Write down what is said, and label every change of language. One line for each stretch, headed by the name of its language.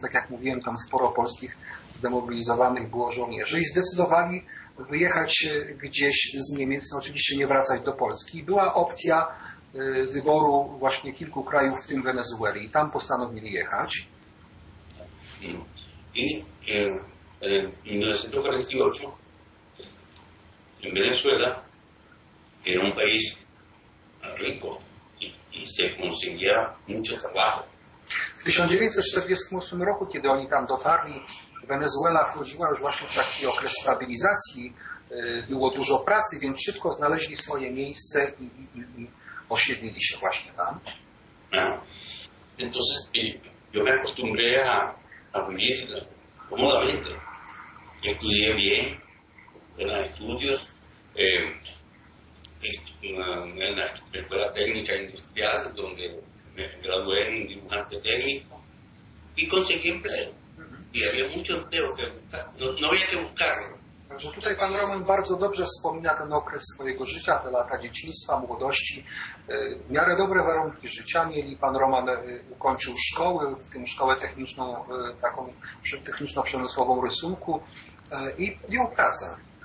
Polish: Tak jak mówiłem, tam sporo polskich zdemobilizowanych było żołnierzy i zdecydowali wyjechać gdzieś z Niemiec, no oczywiście nie wracać do Polski. Była opcja wyboru właśnie kilku krajów, w tym Wenezueli. I tam postanowili jechać.
Spanish: En 1948, en Venezuela, era un país rico y se conseguía mucho trabajo.
Polish: W 1948 roku, kiedy oni tam dotarli, Wenezuela wchodziła już właśnie w taki okres stabilizacji. Było dużo pracy, więc szybko znaleźli swoje miejsce i osiedlili się właśnie tam.
Spanish: Entonces, yo me acostumbré a vivir cómodamente. Estudié bien, buenos estudios, en la Escuela Técnica Industrial, donde me gradué en dibujante técnico, y conseguí empleo. Y había mucho empleo que buscar, no había que buscarlo.
Polish: Także tutaj pan Roman bardzo dobrze wspomina ten okres swojego życia, te lata dzieciństwa, młodości. W miarę dobre warunki życia mieli. Pan Roman ukończył szkoły, w tym szkołę techniczną, taką techniczno-przemysłową rysunku i podjął pracę.